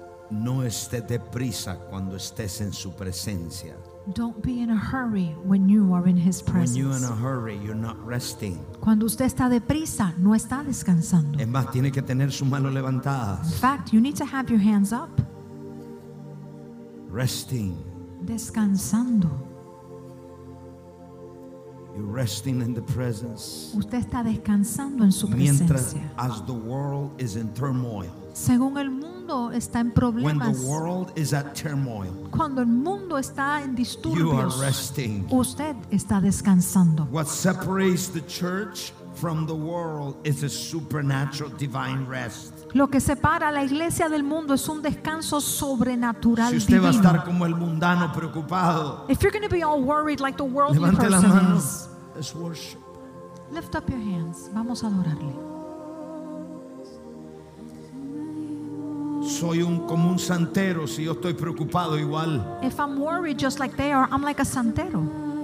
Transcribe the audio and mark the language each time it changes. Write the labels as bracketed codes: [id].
[es] no estés deprisa cuando estés en su presencia. [en] Don't be in a hurry when you are in his presence. When you're in a hurry, you're not resting. [es] Cuando usted está deprisa, no está descansando. Es más, tiene que tener sus manos levantadas. [en] In fact, you need to have your hands up. Resting. [es] Descansando. [en] You're resting in the presence. [es] Usted está descansando en su presencia. Mientras, [en] as the world is in turmoil. [es] Según el mundo mundo está en problemas, [en] when the world is at turmoil, [es] cuando el mundo está en disturbios, [en] you are resting. [es] Usted está descansando. [en] What separates the church from the world is a supernatural divine rest. [es] Lo que separa a la iglesia del mundo es un descanso sobrenatural divino. Si usted va a estar como el mundano preocupado, [en] if you're going to be all worried like the worldly person, [es] levante la [en] mano. Let's worship. Lift up your hands. [es] Vamos a adorarle. Soy un como un santero. Si yo estoy preocupado igual, [en] if I'm worried just like they are, I'm like a santero.